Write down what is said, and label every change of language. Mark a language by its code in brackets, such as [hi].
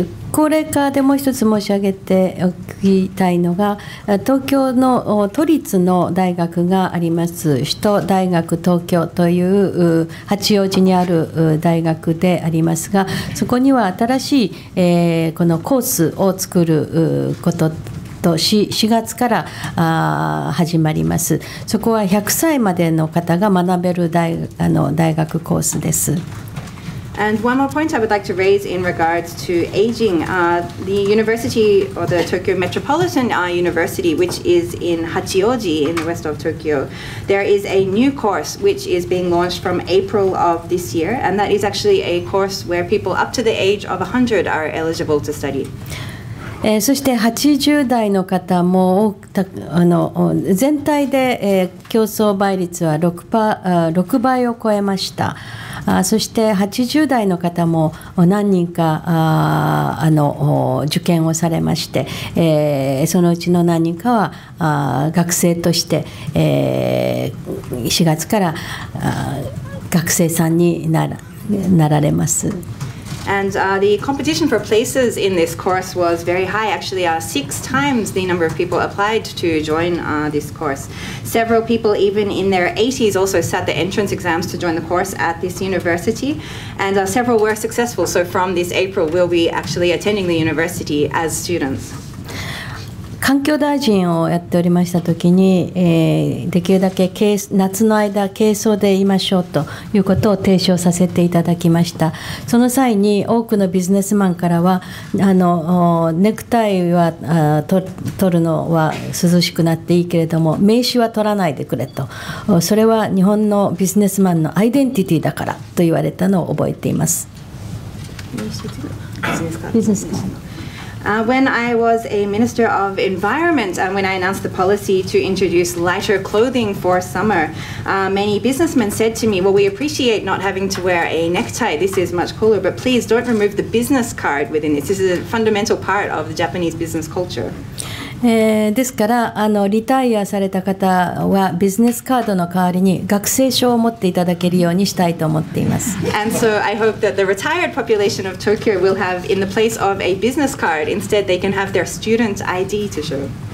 [ja] 高齢化でもう一つ申し上げておきたいのが、東京の都立の大学があります、首都大学東京という八王子にある大学でありますが、そこには新しいこのコースを作ることと4月から始まります。そこは100歳までの方が学べる 大学コースです。 [en] And one more point I would like to raise in regards to aging. The university, or the Tokyo Metropolitan University, which is in Hachioji in the west of Tokyo, there is a new course which is being launched from April of this year, and that is actually a course where people up to the age of 100 are eligible to study. [ja] そして80代の方も全体で競争倍率は 6倍を超えました。そして80代の方も何人か受験をされまして、そのうちの何人かは学生として4月から学生さんになられます。 [en] And the competition for places in this course was very high. Actually, 6 times the number of people applied to join this course. Several people, even in their 80s, also sat the entrance exams to join the course at this university. And several were successful. So from this April, we'll be actually attending the university as students. [ja] 環境大臣をやっておりましたときに、できるだけ夏の間軽装でいましょうということを提唱させていただきました。その際に多くのビジネスマンからは、ネクタイは取るのは涼しくなっていいけれども名刺は取らないでくれと、それは日本のビジネスマンのアイデンティティだからと言われたのを覚えています。ビジネスカード、 [en] When I was a Minister of Environment, and when I announced the policy to introduce lighter clothing for summer, many businessmen said to me, well, we appreciate not having to wear a necktie, this is much cooler, but please don't remove the business card within this. This is a fundamental part of the Japanese business culture. [ja] ですから、リタイアされた方はビジネスカードの代わりに学生証を持っていただけるようにしたいと思っています。 [en] And so I hope that the retired population of Tokyo will have, in the place of a business card, instead they can have their student ID to show.